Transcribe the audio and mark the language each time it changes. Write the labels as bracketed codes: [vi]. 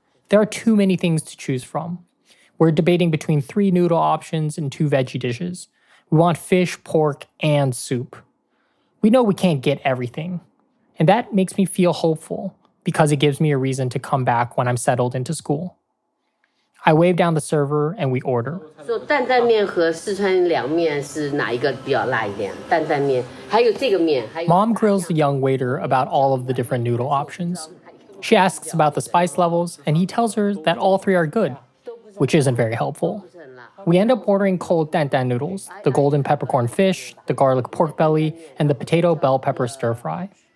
[en] There are too many things to choose from. We're debating between three noodle options and two veggie dishes. We want fish, pork, and soup. We know we can't get everything. And that makes me feel hopeful, because it gives me a reason to come back when I'm settled into school. I wave down the server, and we order. [zh] So, 担担面和四川凉面是哪一个比较辣一点？担担面，还有这个面。 [en] Mom grills the young waiter about all of the different noodle options. She asks about the spice levels, and he tells her that all three are good, which isn't very helpful. We end up ordering cold 担担 noodles, the golden peppercorn fish, the garlic pork belly, and the potato bell pepper stir fry.